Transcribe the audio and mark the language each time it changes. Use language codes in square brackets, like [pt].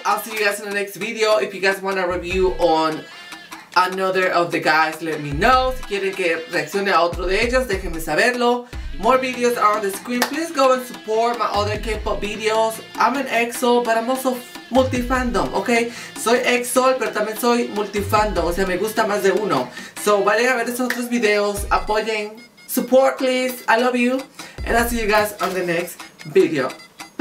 [en] I'll see you guys in the next video. If you guys want a review on another of the guys, let me know. [es] Si quieren que reaccione a otro de ellos, déjenme saberlo. [en] More videos are on the screen. Please go and support my other K-pop videos. I'm an EXO, but I'm also multi-fandom, okay? [es] Soy EXO, pero también soy multi-fandom. O sea, me gusta más de uno. [en] So, [es] vayan a ver esos otros videos. Apoyen. [en] Support, please. I love you. And I'll see you guys on the next video.